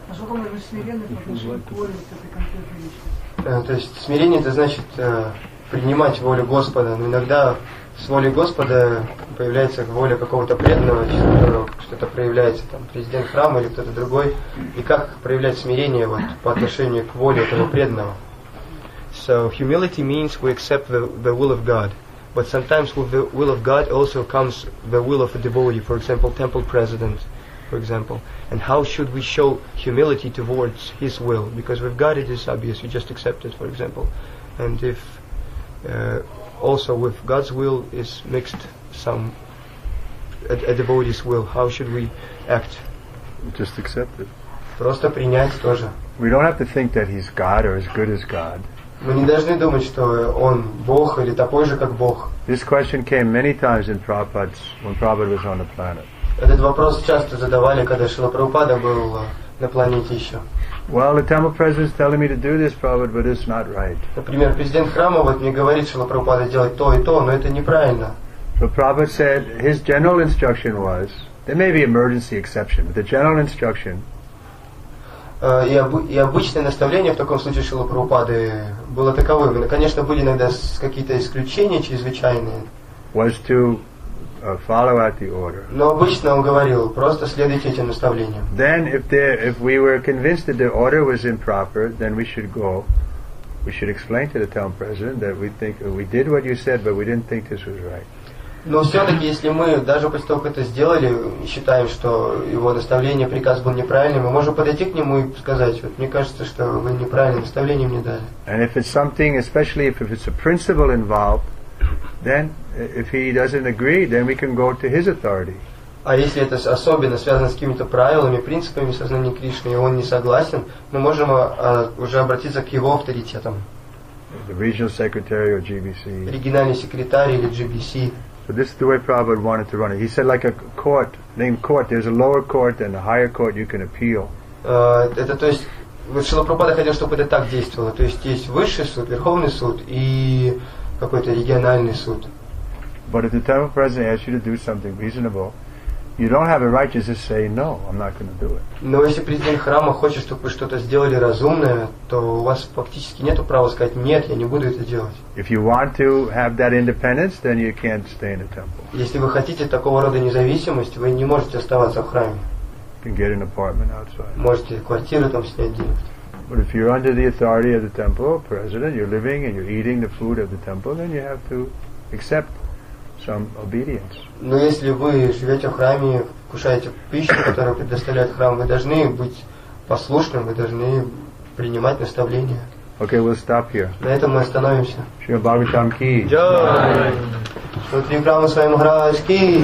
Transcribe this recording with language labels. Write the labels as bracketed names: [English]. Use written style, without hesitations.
[Russian] Насколько мы должны смиренны по отношению к воле вот этой конкретной личности? То есть смирение, это значит принимать волю Господа, но иногда с волей Господа появляется воля какого-то преданного, что-то проявляется, там, президент храма или кто-то другой, и как проявлять смирение вот, по отношению к воле этого преданного. [English] So humility means we accept the will of God, but sometimes with the will of God also comes the will of a devotee, for example, temple president, for example. And how should we show humility towards his will? Because with God it is obvious, you just accept it, for example. And if also with God's will is mixed some a devotee's will, how should we act? Just accept it. [Russian] Просто принять тоже. [English] We don't have to think that he's God or as good as God. [Russian] Мы не должны думать, что он Бог или такой же, как Бог. [English] This question came many times in Prabhupada's when Prabhupada was on the planet. [Russian] Этот вопрос часто задавали, когда Шрила Прабхупада был на планете еще. [English] Well, the temple president is telling me to do this, Prabhupada, but it's not right. [Russian] Например, президент храма вот мне говорит, что Прабхупада делать то и то, но это неправильно. [English] So Prabhupada said his general instruction was there may be emergency exception, but the general instruction. [Russian] И обычное наставление в таком случае Шрилы Прабхупады было таковым. Конечно, были иногда какие-то исключения чрезвычайные. [English] Was to follow out the order. [Russian] Но обычно он говорил, просто следуйте этим наставлениям. [English] Then if we were convinced that the order was improper, then we should go. We should explain to the town president that we think we did what you said, but we didn't think this was right. [Russian] Но все-таки, если мы даже после того, как это сделали, считаем, что его наставление, приказ был неправильным, мы можем подойти к нему и сказать, вот мне кажется, что вы неправильное наставление мне дали. [English] And if it's something, especially if it's a principle involved, then if he doesn't agree, then we can go to his authority. [Russian] А если это особенно связано с какими-то правилами, принципами сознания Кришны, и он не согласен, мы можем уже обратиться к его авторитетам. [English] The regional secretary or GBC. [Russian] Региональный секретарь или GBC. [English] So this is the way Prabhupada wanted to run it. He said like a court, named court, there's a lower court and a higher court you can appeal. [Russian] Это то есть, Шрила Прабхупада хотел, чтобы это так действовало. То есть есть высший суд, верховный суд и какой-то региональный суд. [English] But if the temple president asks you to do something reasonable, you don't have a right to just say no, I'm not going to do it. [Russian] Но если президент храма хочет, чтобы вы что-то сделали разумное, то у вас фактически нет права сказать нет, я не буду это делать. [English] If you want to have that independence, then you can't stay in the temple. [Russian] Если вы хотите такого рода независимость, вы не можете оставаться в храме. [English] You can get an apartment outside. [Russian] Можете квартиру там снять, денег. [English] But if you're under the authority of the temple president, you're living and you're eating the food of the temple, then you have to accept some obedience. [Russian] Но если вы живете в храме, кушаете пищу, которую предоставляет храм, вы должны быть послушным, вы должны принимать наставления. Okay, we'll stop here. На этом мы остановимся. Шри Бхагаватам ки. Джай. Шри Прабху Свайм Махарадж ки.